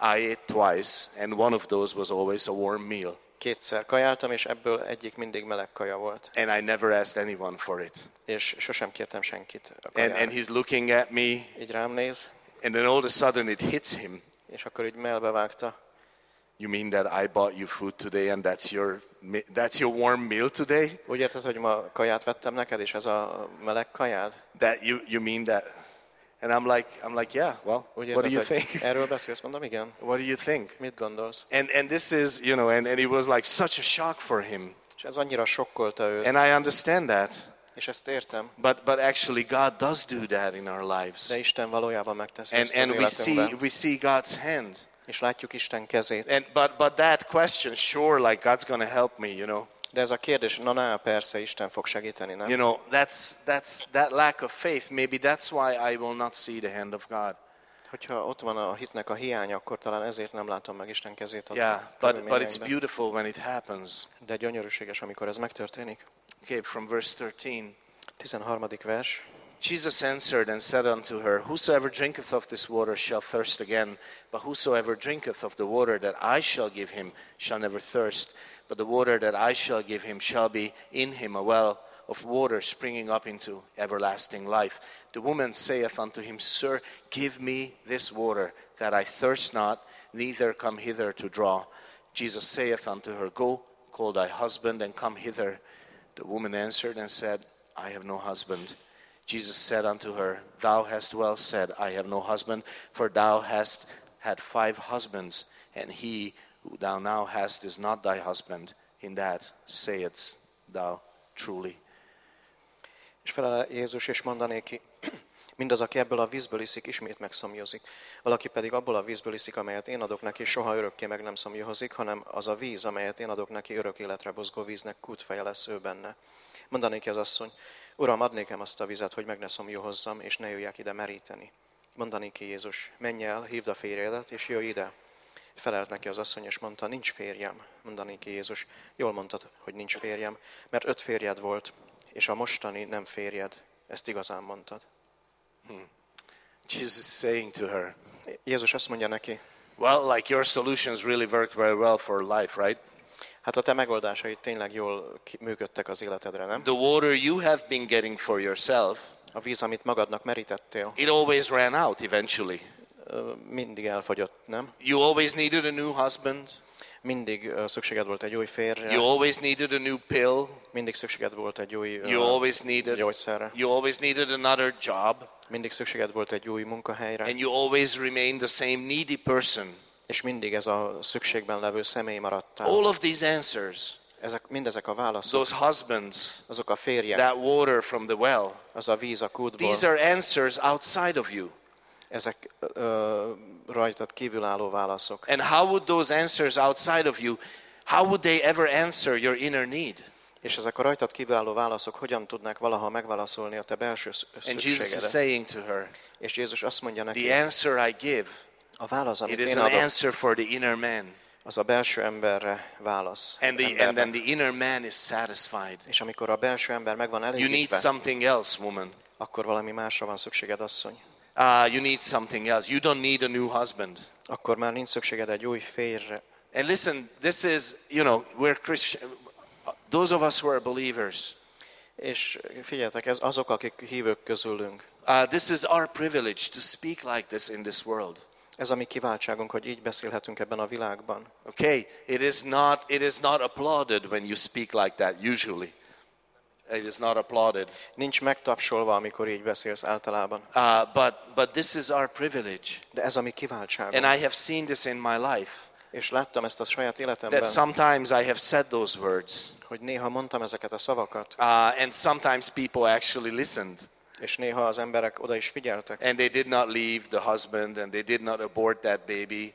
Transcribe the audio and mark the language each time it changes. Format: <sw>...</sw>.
<en>I ate twice, and one of those was always a warm meal.</en> <hu>Kétszer kajáltam, és ebből egyik mindig meleg kaja volt.</hu> <en>And I never asked anyone for it.</en> <hu>És sosem kértem senkit a kajára.</hu> <en>And he's looking at me.</en> <hu>Így rám néz.</hu> <en>And then all of a sudden it hits him.</en> <hu>És akkor így mellbe vágta.</hu> <en>You mean that I bought you food today and that's your warm meal today?</en> <hu>Úgy érted, hogy ma kaját vettem neked, és ez a meleg kajád?</hu> <en>That you mean that? And I'm like, yeah. Well,</en> <hu>érted,</hu> <en>what do you think?</en> <hu>Erről beszélsz, mondom, igen.</hu> <en>What do you think?</en> <hu>Mit gondolsz?</hu> <en>And this is, you know, and it was like such a shock for him.</en> <hu>És ez annyira sokkolta őt.</hu> <en>And I understand that.</en> <hu>És ezt értem.</hu> <en>But actually, God does do that in our lives.</en> <hu>De Isten valójában megteszi ezt az életünkben.</hu> <en>And we see God's hand.</en> <hu>És látjuk Isten kezét.</hu> <en>But that question, sure, like God's gonna help me, you know.</en> <hu>De ez a kérdés, na, persze, Isten fog segíteni, nem?</hu> <en>You know, that's that lack of faith. Maybe that's why I will not see the hand of God.</en> <hu>Hogyha ott van a hitnek a hiány, akkor talán ezért nem látom meg Isten kezét.</hu> <en>Yeah, but it's beautiful when it happens.</en> <hu>De gyönyörűséges, amikor ez megtörténik.</hu> <en>Okay, from verse 13.</en> <hu>13. vers.</hu> <en>Jesus answered and said unto her, Whosoever drinketh of this water shall thirst again, but whosoever drinketh of the water that I shall give him shall never thirst, but the water that I shall give him shall be in him a well of water springing up into everlasting life. The woman saith unto him, Sir, give me this water, that I thirst not, neither come hither to draw. Jesus saith unto her, Go, call thy husband, and come hither. The woman answered and said, I have no husband. Jesus said unto her, Thou hast well said, I have no husband, for thou hast had 5 husbands, and he who thou now hast is not thy husband. In that sayest thou truly.</en> <hu>És felel Jézus, és mondanék, mindaz, aki ebből a vízből iszik, ismét megszomjozik. Valaki pedig abból a vízből iszik, amelyet én adok neki, soha örökké meg nem szomjozik, hanem az a víz, amelyet én adok neki, örök életre buzgó víznek kútfeje lesz ő benne. Mondanék az asszony, Uram, add nekem azt a vizet, hogy meg ne szomjuhozzam, és ne jöjjek ide meríteni. Mondani ki Jézus, menj el, hívd a férjedet, és jöjj ide. Felelt neki az asszony, és mondta, nincs férjem. Mondani ki Jézus, jól mondtad, hogy nincs férjem, mert 5 férjed volt, és a mostani nem férjed. Ezt igazán mondtad.</hu> <en>Jesus is saying to her,</en> <hu>Jézus azt mondja neki,</hu> <en>well, like your solutions really worked very well for life, right?</en> <hu>Hát a te megoldásaid tényleg jól működtek az életedre, nem?</hu> <en>The water you have been getting for yourself,</en> <hu>a víz, amit magadnak merítettél,</hu> <en>it always ran out eventually.</en> <hu>Mindig elfogyott, nem?</hu> <en>You always needed a new husband.</en> <hu>Mindig szükséged volt egy új férjre.</hu> <en>You always needed a new pill.</en> <hu>Mindig szükséged volt egy új gyógyszerre.</hu> <en>You always needed another job.</en> <hu>Mindig szükséged volt egy új munkahelyre.</hu> <en>And you always remained the same needy person.</en> <hu>És mindig ez a szükségben levő személy maradtál.</hu> <en>All of these answers.</en> <hu>Ezek mindezek a válaszok.</hu> <en>Those husbands.</en> <hu>Azok a férjek.</hu> <en>That water from the well.</en> <hu>Az a víz a kútból.</hu> <en>These are answers outside of you.</en> <hu>Ezek rajtad kívülálló válaszok.</hu> <en>And how would those answers outside of you, how would they ever answer your inner need?</en> <hu>És ezek a rajtad kívülálló válaszok hogyan tudnák valaha megválaszolni a te belső szükségedet?</hu> <en>And Jesus is saying to her,</en> <hu>és Jézus azt mondja neki,</hu> <en>the answer I give,</en> <hu>a válasz, amit</hu> <en>it is</en> <hu>én adok,</hu> <en>an answer for the inner man.</en> <hu>Az a belső emberre válasz.</hu> <en>And the</en> <hu>emberre.</hu> <en>And then the inner man is satisfied.</en> <hu>És amikor a belső ember megvan elégítve,</hu> <en>you need something else, woman.</en> <hu>Akkor valami másra van szükséged, asszony.</hu> <en>You need something else. You don't need a new husband.</en> <hu>Akkor már nincs szükséged egy új férjre.</hu> <en>And listen, this is, you know, we're Christian. Those of us who are believers.</en> <hu>És figyeljetek, ez azok, akik hívők közülünk.</hu> <en>This is our privilege to speak like this in this world.</en> <hu>Ez a mi kiváltságunk, hogy így beszélhetünk ebben a világban.</hu> <en>Okay, it is not applauded when you speak like that usually. It is not applauded.</en> <hu>Nincs megtapsolva, amikor így beszélsz általában.</hu> <en>But this is our privilege.</en> <hu>De ez a mi kiváltságunk.</hu> <en>And I have seen this in my life.</en> <hu>És láttam ezt a saját életemben.</hu> <en>That sometimes I have said those words.</en> <hu>Hogy néha mondtam ezeket a szavakat.</hu> <en>And sometimes people actually listened.</en> <hu>És néha az emberek oda is figyeltek.</hu> <en>And they did not leave the husband and they did not abort that baby.</en>